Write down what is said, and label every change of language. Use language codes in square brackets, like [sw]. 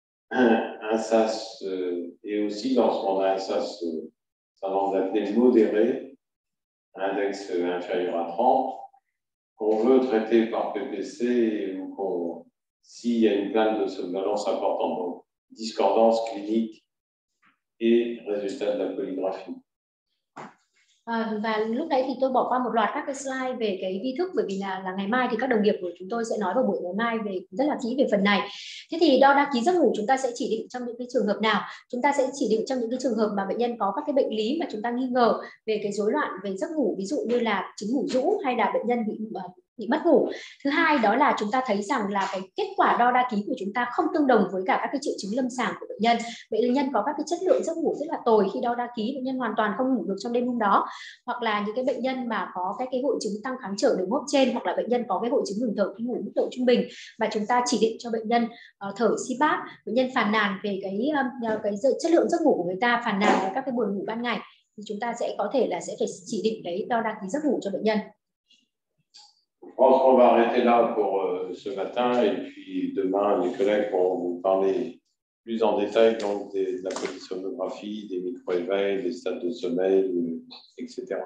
[fr] un SAS et aussi lorsqu'on a un SAS syndrome d'apnée modéré, index inférieur à 30, qu'on veut traiter par PPC ou s'il y a une plainte de somnolence importante, donc discordance clinique et résultat de la polygraphie. [vi] Và lúc đấy thì tôi bỏ qua một loạt các cái slide về cái vi thức, bởi vì là ngày mai thì các đồng nghiệp của chúng tôi sẽ nói vào buổi ngày mai về rất là kỹ về phần này. Thế thì đo đa ký giấc ngủ chúng ta sẽ chỉ định trong những cái trường hợp nào? Chúng ta sẽ chỉ định trong những cái trường hợp mà bệnh nhân có các cái bệnh lý mà chúng ta nghi ngờ về cái rối loạn về giấc ngủ, ví dụ như là chứng ngủ rũ hay là bệnh nhân bị mất ngủ. Thứ hai đó là chúng ta thấy rằng là cái kết quả đo đa ký của chúng ta không tương đồng với cả các cái triệu chứng lâm sàng của bệnh nhân. Bệnh nhân có các cái chất lượng giấc ngủ rất là tồi khi đo đa ký, bệnh nhân hoàn toàn không ngủ được trong đêm hôm đó. Hoặc là những cái bệnh nhân mà có các cái hội chứng tăng kháng trở đường hô hấp trên, hoặc là bệnh nhân có cái hội chứng ngừng thở khi ngủ mức độ trung bình mà chúng ta chỉ định cho bệnh nhân thở CPAP, bệnh nhân phàn nàn về cái chất lượng giấc ngủ của người ta, phàn nàn về các cái buồn ngủ ban ngày, thì chúng ta sẽ có thể là sẽ phải chỉ định cái đo đa ký giấc ngủ cho bệnh nhân. [fr] On va arrêter là pour ce matin et puis demain les collègues vont vous parler plus en détail donc de la polysomnographie, des micro-éveils, des stades de sommeil, etc.